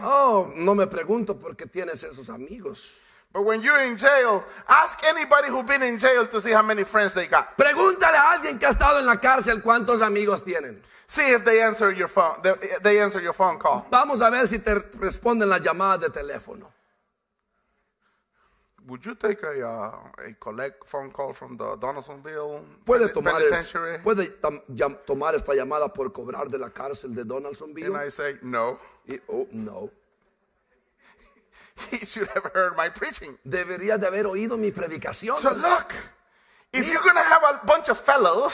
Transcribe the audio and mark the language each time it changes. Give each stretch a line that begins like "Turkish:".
Spanish: Oh, no me pregunto por qué tienes esos amigos.
English: But when you're in jail, ask anybody who's been in jail to see how many friends they got.
Spanish: Pregúntale a alguien que ha estado en la cárcel cuántos amigos tienen.
English: See if they answer your phone. They answer your phone call.
Spanish: Vamos a ver si te responden las llamadas de teléfono.
English: Would you take a collect phone call from the Donaldsonville
Spanish: ¿Puede tomar Penitentiary? ¿Puede tomar esta llamada por cobrar de la cárcel de Donaldsonville?
English: And I say, no.
Spanish: No.
English: He should have heard my preaching.
Spanish: Debería de haber oído mi predicación.
English: So look, if you're going to have a bunch of fellows,